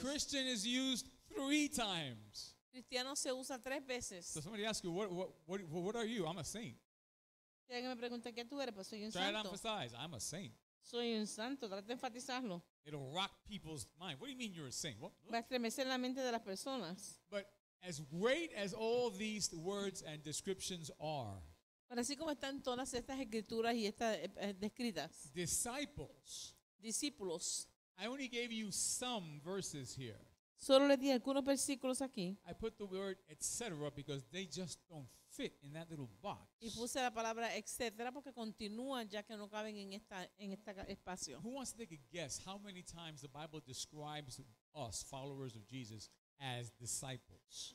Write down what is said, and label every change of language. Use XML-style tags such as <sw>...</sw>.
<en>Christian is used three times.</en> <es>Cristiano se usa tres veces.</es> <en>So somebody asks you, what are you? I'm a saint.</en> <es>Si alguien me pregunta qué tú eres, pues soy un santo.</es> <en>Try to emphasize, I'm a saint.</en> <es>Soy un santo. Trata de enfatizarlo.</es> <en>It'll rock people's mind. What do you mean you're a saint?</en> <es>Va a estremecer la mente de las personas.</es> <en>But as great as all these words and descriptions are,</en> <es>pero así como están todas estas escrituras y estas descritas,</es> <en>disciples,</en> <es>discípulos,</es> <en>I only gave you some verses here.</en> <es>Solo le di algunos versículos aquí.</es> <en>I put the word etc. because they just don't fit in that little box.</en> <es>Y puse la palabra etcétera porque continúan ya que no caben en esta espacio.</es> <en>Who wants to take a guess how many times the Bible describes us followers of Jesus as disciples?</en>